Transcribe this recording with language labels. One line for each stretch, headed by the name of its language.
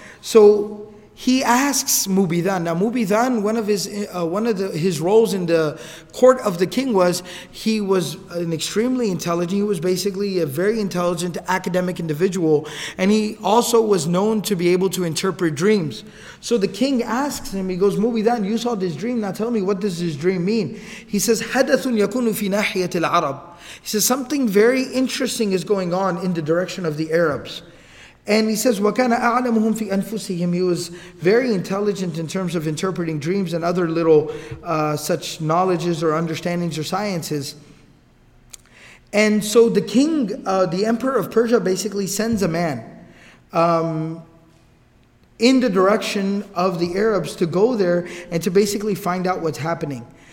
English: So he asks Mubidan. Now Mubidan, one of his roles in the court of the king was, he was an extremely intelligent, he was basically a very intelligent academic individual, and he also was known to be able to interpret dreams. So the king asks him, he goes, "Mubidan, you saw this dream, now tell me, what does this dream mean?" He says,
Arabic: "Hadathun yakunu fi nahiyat al-Arab."
English: He says, "Something very interesting is going on in the direction of the Arabs." And he says,
Arabic: وَكَانَ أَعْلَمُهُمْ فِي أَنفُسِهِمْ.
English: He was very intelligent in terms of interpreting dreams and other little such knowledges or understandings or sciences. And so the king, the emperor of Persia, basically sends a man in the direction of the Arabs to go there and to basically find out what's happening.